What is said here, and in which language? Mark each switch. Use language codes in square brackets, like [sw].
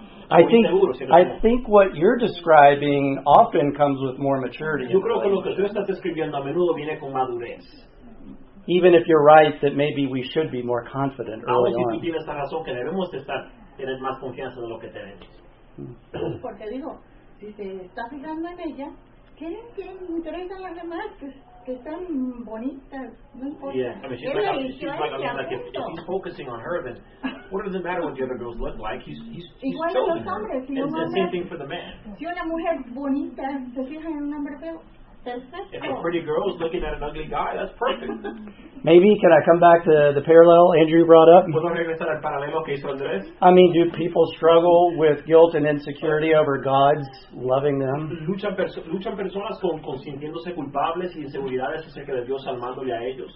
[en] I think what you're describing often comes with more maturity. [es] Yo creo que lo que tú estás describiendo a menudo viene con madurez. [en] Even if you're right that maybe we should be more confident early on. [es] Aunque si tú tienes razón que debemos estar tener más confianza de lo que tenemos. Porque digo, si te estás fijando en ella, ¿qué interesan las demás que están bonitas? No importa. [en] Yeah, I mean, she's like, if he's focusing on her, then what does it matter what the other girls look like? He's chosen her. [es] Si [en] it's the same thing for the man. [es] Si una mujer bonita se fija en un hombre feo, perfecto. [en] If a pretty girl is looking at an ugly guy, that's perfect. Maybe, can I come back to the parallel Andrew brought up? [es] ¿Puedo regresar al paralelo que hizo Andrés? [en] I mean, do people struggle with guilt and insecurity over God's loving them? [es] ¿Luchan personas con sintiéndose culpables y inseguridades acerca de Dios amándole a ellos?